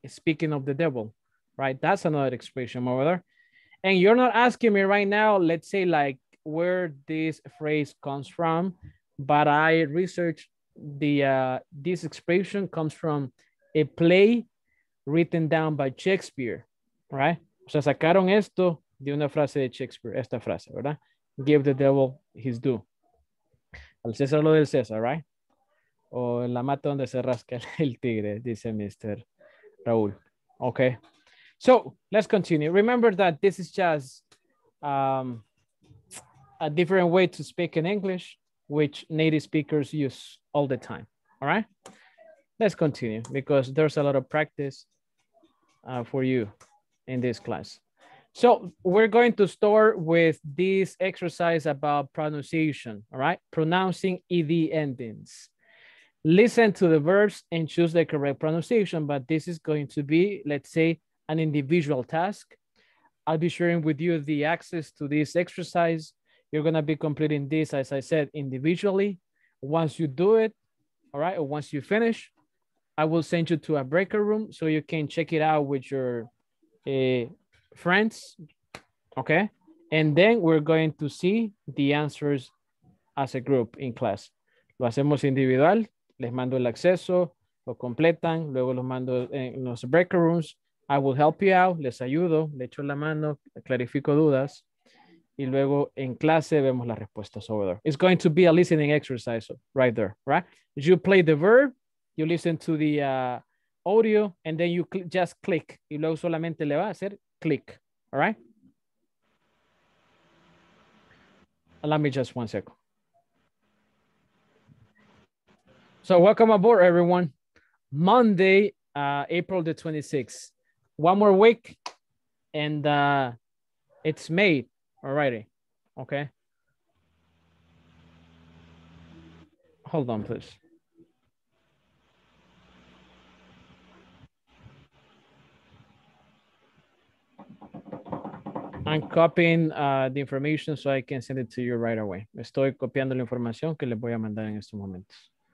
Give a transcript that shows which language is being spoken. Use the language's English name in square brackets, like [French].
[English] Speaking of the devil, right? That's another expression over there. And you're not asking me right now, let's say like, where this phrase comes from, but I researched the this expression comes from a play written down by Shakespeare, right? [Spanish] O sea, sacaron esto de una frase de Shakespeare, esta frase, ¿verdad? [English] Give the devil his due. [Spanish] Al César lo del César, [English] right? [Spanish] O en la mata donde se rasca el tigre, dice Mr. [English] Raúl. Okay. So, let's continue. Remember that this is just a different way to speak in English, which native speakers use all the time, all right? Let's continue because there's a lot of practice for you in this class. So we're going to start with this exercise about pronunciation, all right? Pronouncing ED endings. Listen to the verbs and choose the correct pronunciation, but this is going to be, let's say, an individual task. I'll be sharing with you the access to this exercise. You're going to be completing this, as I said, individually. Once you do it, all right, or once you finish, I will send you to a breakout room so you can check it out with your friends, okay? And then we're going to see the answers as a group in class. [Spanish] Lo hacemos individual, les mando el acceso, lo completan, luego los mando en los breakout rooms. [English] I will help you out, [Spanish] les ayudo, le echo la mano, clarifico dudas. Y luego en clase vemos las respuestas [English] over there. It's going to be a listening exercise right there, right? You play the verb, you listen to the audio, and then you just click. [Spanish] Y luego solamente le va a hacer click, all right? [English] Let me just 1 second. So welcome aboard, everyone. Monday, April the 26th. One more week, and it's May. Alrighty, okay. Hold on, please. I'm copying the information so I can send it to you right away. [Spanish] Estoy copiando la información que les voy a mandar en estos momentos.